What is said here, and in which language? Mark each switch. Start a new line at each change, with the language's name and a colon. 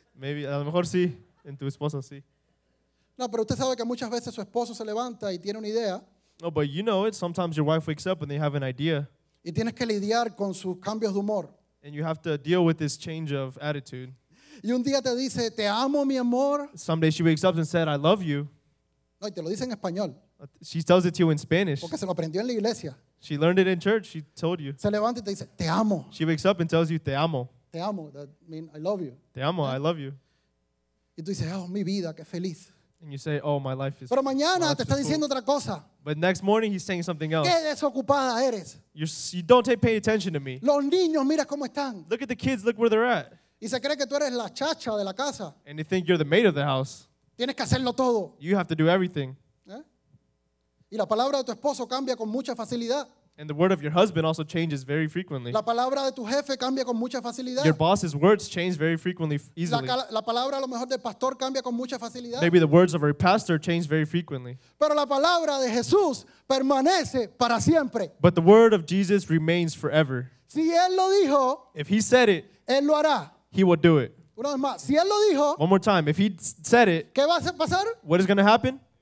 English: Maybe,
Spanish: a lo mejor sí, en tu esposo sí. No, pero usted sabe que muchas veces su esposo se levanta y tiene una idea.
English: No, but you know it. Sometimes your wife wakes up and they have an idea.
Spanish: Y tienes que lidiar con sus cambios de humor.
English: And you have to deal with this change of attitude.
Spanish: Y un día te dice, te amo, mi amor.
English: Someday she wakes up and said, I love you.
Spanish: No, y te lo dice en español.
English: She tells it to you in Spanish.
Spanish: Porque se lo aprendió en la iglesia.
English: She learned it in church. She told you.
Spanish: Se levanta y te dice, te amo.
English: She wakes up and tells you,
Spanish: te amo. Te amo.
English: That means I love you.
Spanish: Te amo.
English: Yeah. I love you.
Spanish: Y tú dices, oh, mi vida, qué feliz.
English: And you say, oh, my life is
Spanish: pero mañana te está diciendo otra cosa.
English: But next morning he's saying something else.
Spanish: Qué desocupada eres.
English: You don't pay attention to me.
Spanish: Los niños, mira cómo están.
English: Look at the kids, look where they're at.
Spanish: Y se cree que tú eres la chacha de la casa.
English: And they think you're the maid of the house.
Spanish: Tienes que hacerlo todo.
English: You have to do everything.
Spanish: Y la palabra de tu esposo cambia con mucha facilidad.
English: And the word of your husband also changes very frequently.
Spanish: La palabra de tu jefe cambia con mucha facilidad.
English: Your boss's words change very frequently, easily.
Spanish: La palabra a lo mejor del pastor cambia con mucha facilidad.
English: Maybe the words of our pastor change very frequently.
Spanish: Pero la palabra de Jesús permanece para siempre.
English: But the word of Jesus remains forever.
Spanish: Si él lo dijo,
English: if he said it,
Spanish: él lo hará.
English: He will do it.
Spanish: Una vez más, si él lo dijo,
English: one more time, if he said it,
Spanish: ¿qué va a pasar?
English: What is going to happen?